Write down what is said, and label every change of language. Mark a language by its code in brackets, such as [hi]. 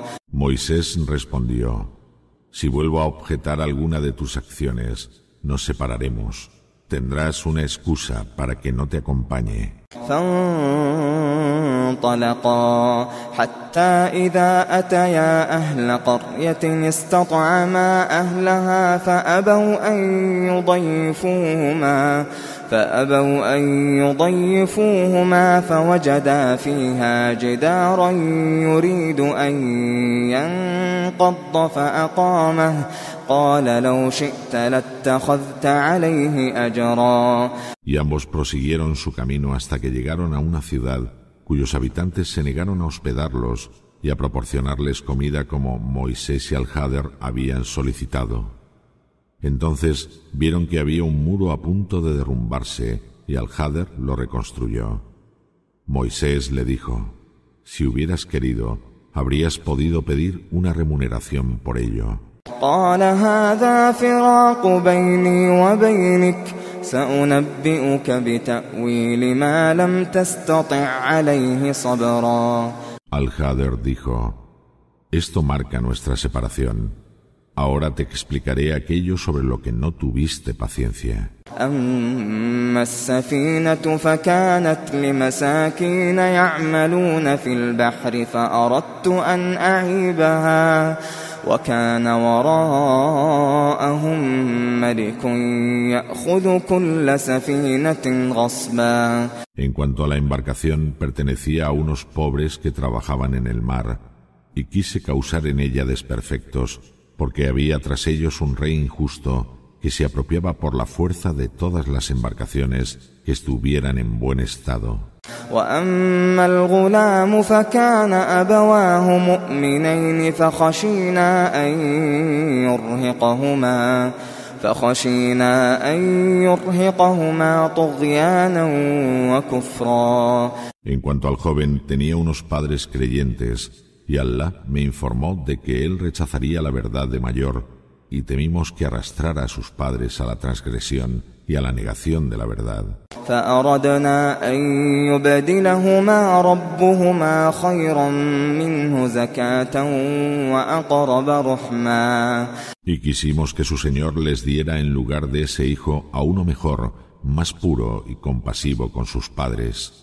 [es] Moisés respondió, si vuelvo a objetar alguna de tus acciones, nos separaremos. Tendrás una excusa para que no te acompañe. [ar] فانطلقا حتى إذا أتيا أهل قرية استطعما أهلها فأبوا أن يضيفوهما فوجدا فيها جدارا يريد أن ينقض فأقامه قال لو شئت لاتخذت عليه أجرا. [es] Y ambos prosiguieron su camino hasta que llegaron a una ciudad cuyos habitantes se negaron a hospedarlos y a proporcionarles comida como Moisés y Al-Hadr habían solicitado. Entonces vieron que había un muro a punto de derrumbarse y Al-Hadr lo reconstruyó. Moisés le dijo, si hubieras querido, habrías podido pedir una remuneración por ello. [ar] قال هذا فراق بيني وبينك سأنبئك بتأويل ما لم تستطع عليه صبرا. [es] Al-Hadr dijo, esto marca nuestra separación. Ahora te explicaré aquello sobre lo que no tuviste paciencia. [ar] أما السفينة فكانت لمساكين يعملون في البحر فأردت أن أعيبها وكان وراءهم ملك يأخذ كل سفينة غصبا. [es] En cuanto a la embarcación, pertenecía a unos pobres que trabajaban en el mar, y quise causar en ella desperfectos, porque había tras ellos un rey injusto que se apropiaba por la fuerza de todas las embarcaciones que estuvieran en buen estado. [ar] وأما الغلام فكان أبواه مؤمنين فخشينا أن يرهقهما طغيانا وكفرا. [es] En cuanto al joven, tenía unos padres creyentes, y Allah me informó de que él rechazaría la verdad de mayor, y temimos que arrastrara a sus padres a la transgresión y a la negación de la verdad. [ar] فأردنا أن يبدلهما ربهما خيرا منه زكاة وأقرب رحما. [es] Y quisimos que su señor les diera en lugar de ese hijo a uno mejor, más puro y compasivo con sus padres.